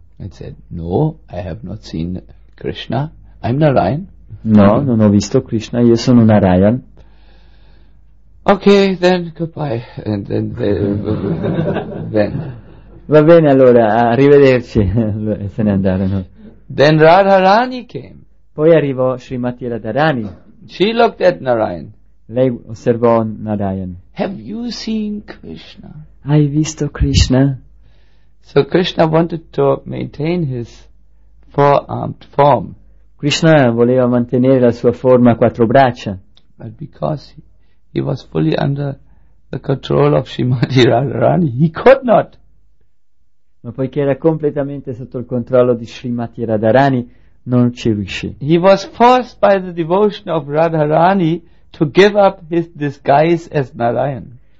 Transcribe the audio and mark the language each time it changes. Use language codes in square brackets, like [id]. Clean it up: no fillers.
[en] And said, "No, I have not seen Krishna. I'm Narayan." [it] No, non ho visto Krishna, io sono Narayan. [en] Okay, then goodbye. And then then. [it] Va bene allora, arrivederci. Se ne andarono. [en] Then Radharani came. [it] Poi arrivò Srimati Radharani. [en] She looked at Narayan. [it] Lei osservò Narayan. [en] "Have you seen Krishna?" [it] Hai visto Krishna? [en] So Krishna wanted to maintain his four-armed form. [it] Krishna voleva mantenere la sua forma a quattro braccia. [en] But because he was fully under the control of Srimati Radharani, he could not. [it] Ma poiché era completamente sotto il controllo di Srimati Radharani, non ci riuscì. [en] He was forced by the devotion of Radharani to give up his disguise as Narayan.